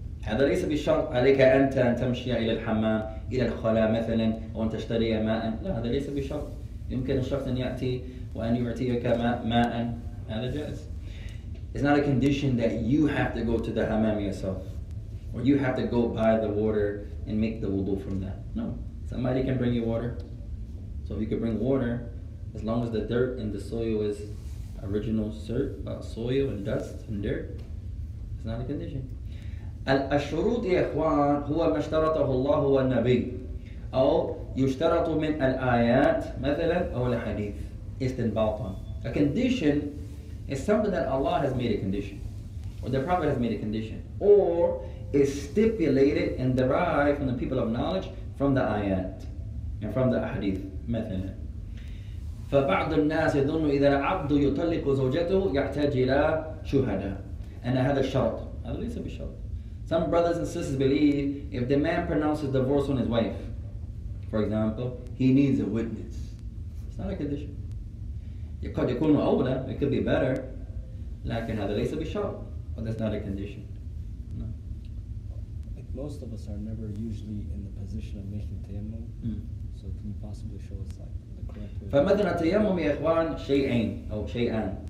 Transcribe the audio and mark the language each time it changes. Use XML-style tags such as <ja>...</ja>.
<ar>هذا ليس بشرط عليك أنت أن تمشي إلى الحمام إلى الخلاء مثلا أو أن تشتري ماء لا هذا ليس بشرط يمكن الشخص أن يأتي وأن يعطيك ماء هذا جائز.</ar> <en>It's not a condition that you have to go to the hammam yourself or you have to go buy the water and make the wudu from that. No, somebody can bring you water. So if you can bring water, as long as the dirt and the soil is original soil and dust and dirt, it's not a condition.</en> <ar>الشروط يا إخوان هو ما اشترطه الله والنبي أو يشترط من الآيات مثلا أو الحديث استنباطا.</ar> <en>A condition is something that Allah has made a condition or the Prophet has made a condition or is stipulated and derived from the people of knowledge from the آيات and from the حديث</en> <ar>مثلا. فبعض الناس يظن إذا العبد يطلق زوجته يحتاج إلى شهداء أن هذا الشرط. هذا ليس بشرط.</ar> <en>Some brothers and sisters believe if the man pronounces divorce on his wife, for example, he needs a witness. It's not a condition.</en> <ar>يقد يكون أولى,</ar> <en>it could be better.</en> <ar>لكن هذا ليس بشرط.</ar> <en>But that's not a condition. No. Like most of us are never usually in the position of making tayammum. Mm. So can you possibly show us like the correct way?</en> <ar>فمثلا تيمم يا إخوان شيئين أو شيئان.</ar>